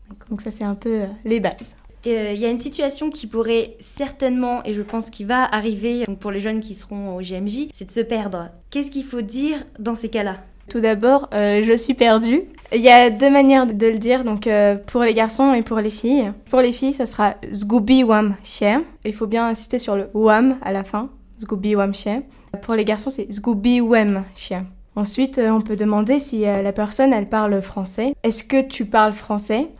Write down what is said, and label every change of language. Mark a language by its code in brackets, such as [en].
[fr] Donc ça, c'est un peu les bases. Il y a une situation qui pourrait certainement, et je pense qu'il va arriver donc pour les jeunes qui seront au GMJ, c'est de se perdre. Qu'est-ce qu'il faut dire dans ces cas-là? Tout d'abord, je suis perdue. Il y a deux manières de le dire, donc pour les garçons et pour les filles. Pour les filles, ça sera [pl] zgubiłam się. [fr] Il faut bien insister sur le wam à la fin, zgubiłam się. Pour les garçons, c'est [pl] zgubiłem się. [fr] Ensuite, on peut demander si la personne, elle parle français. Est-ce que tu parles français?